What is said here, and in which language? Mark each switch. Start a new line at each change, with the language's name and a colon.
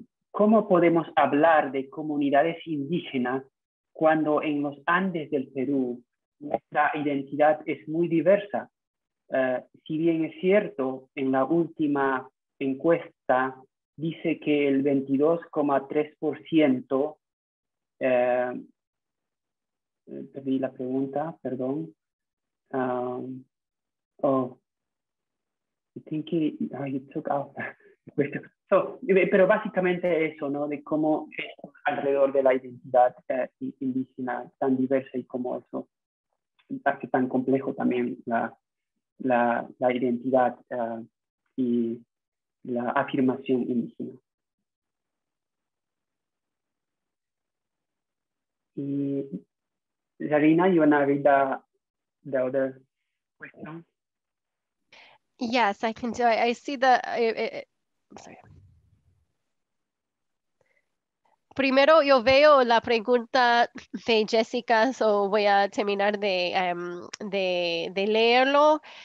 Spanish: ¿Cómo podemos hablar de comunidades indígenas cuando en los Andes del Perú nuestra identidad es muy diversa? Si bien es cierto, en la última encuesta dice que el 22,3%, perdí la pregunta, perdón,
English: Oh, I think you took out the question.
Spanish: So, pero básicamente eso, ¿no? De cómo es alrededor de la identidad indígena tan diversa y cómo eso hace tan complejo también la identidad y la afirmación indígena.
English: Y Zarina, you want to read the other question? Yes, I can do it. I see the, sorry.
Spanish: Primero, yo veo la pregunta de Jessica, so voy a terminar de leerlo.